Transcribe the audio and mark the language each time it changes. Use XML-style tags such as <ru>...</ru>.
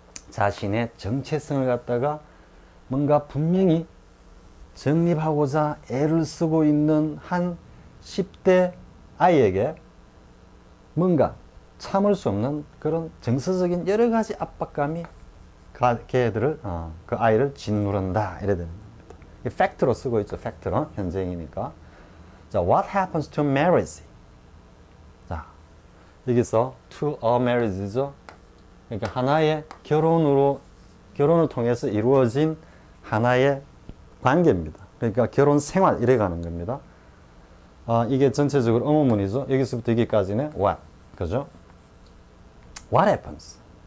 <ko>자신의 정체성을 갖다가 뭔가 분명히 정립하고자 애를 쓰고 있는 한 10대 아이에게 뭔가 참을 수 없는 그런 정서적인 여러 가지 압박감이 걔들을 그 아이를 짓누른다 이래 되는 겁니다. 이 팩트로 쓰고 있죠. 팩트로 현재형이니까.</ko> <en>자, what happens to marriage?</en> <ko>여기서</ko> <en>to a marriage</en> <ko>죠. 그러니까 하나의 결혼을 통해서 이루어진 하나의 관계입니다. 그러니까 결혼 생활 이래 가는 겁니다. 이게 전체적으로 어문문이죠. 여기서부터 여기까지는 what, 그죠?</ko> <en>What happens?</en>